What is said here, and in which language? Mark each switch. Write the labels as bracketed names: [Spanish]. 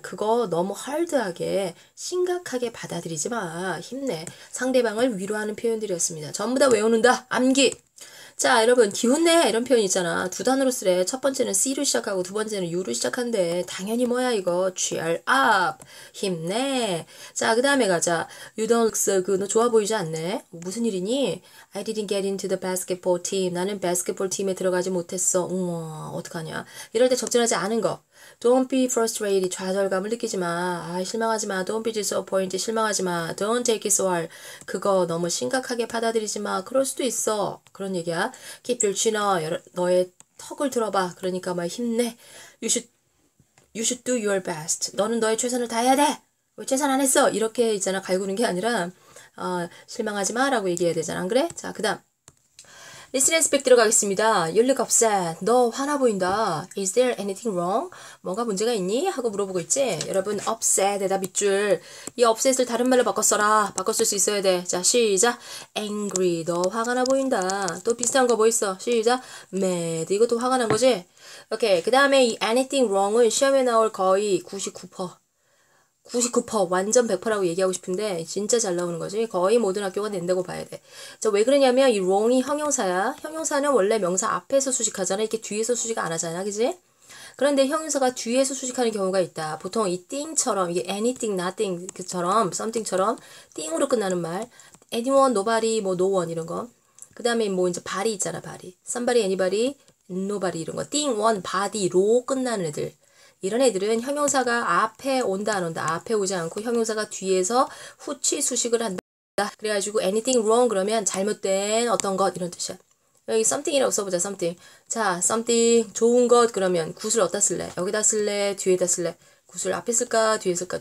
[Korean] 그거 너무 [English] hard [Korean] 하게, 심각하게 받아들이지 마. 힘내. 상대방을 위로하는 표현들이었습니다. 전부 다 외우는다. 암기. 자, 여러분, 기운내. 이런 표현 있잖아. 두 단어로 쓰래. 첫 번째는 C로 시작하고 두 번째는 U로 시작한대. 당연히 뭐야, 이거. [English] Cheer up. [Korean] 힘내. 자, 그 다음에 가자. [English] You don't look so good. [Korean] 너 좋아 보이지 않네? 무슨 일이니? [English] I didn't get into the basketball team. [Korean] 나는 basketball 팀에 들어가지 못했어. 우와, 어떡하냐. 이럴 때 적절하지 않은 거. [English] Don't be frustrated. [Korean] 좌절감을 느끼지 마. 아, 실망하지 마. [English] Don't be disappointed. [Korean] 실망하지 마. [English] Don't take it so hard. [Korean] 그거 너무 심각하게 받아들이지 마. 그럴 수도 있어. 그런 얘기야. [English] Keep your chin up. [Korean] 너의 턱을 들어봐. 그러니까 막 힘내. [English] You should do your best. [Korean] 너는 너의 최선을 다해야 돼. 왜 최선 안 했어? 이렇게 있잖아. 갈구는 게 아니라, 실망하지 마라고 얘기해야 되잖아. 안 그래? 자, 그 다음. [English] Listen and speak [Korean] 들어가겠습니다. [English] You look upset. [Korean] 너 화나 보인다. [English] Is there anything wrong? [Korean] 뭔가 문제가 있니? 하고 물어보고 있지? 여러분, upset 대답 밑줄. 이 upset을 다른 말로 바꿨어라. 바꿀 수 있어야 돼. 자, 시작. [English] Angry. [Korean] 너 화가 나 보인다. 또 비슷한 거뭐 있어? 시작. [English] Mad. [Korean] 이것도 화가 난 거지? 오케이. 그 다음에 이 anything wrong은 시험에 나올 거의 99%. 99% 완전 100%라고 얘기하고 싶은데 진짜 잘 나오는 거지. 거의 모든 학교가 된다고 봐야 돼. 자, 왜 그러냐면 이 wrong이 형용사야. 형용사는 원래 명사 앞에서 수식하잖아. 이렇게 뒤에서 수식 안 하잖아. 그지? 그런데 형용사가 뒤에서 수식하는 경우가 있다. 보통 이 thing처럼 이게 anything, nothing처럼 something처럼 thing으로 끝나는 말. anyone, nobody, 뭐 no one 이런 거. 그다음에 뭐 이제 body 있잖아. body. somebody, anybody, nobody 이런 거. thing, one, body, row 끝나는 애들. 이런 애들은 형용사가 앞에 온다 안 온다 앞에 오지 않고 형용사가 뒤에서 후치 수식을 한다. 그래가지고 anything wrong 그러면 잘못된 어떤 것 이런 뜻이야. 여기 something이라고 써보자. something. 자, something 좋은 것 그러면 굿을 어디다 쓸래? 여기다 쓸래? 뒤에다 쓸래? 굿을 앞에 쓸까? 뒤에 쓸까?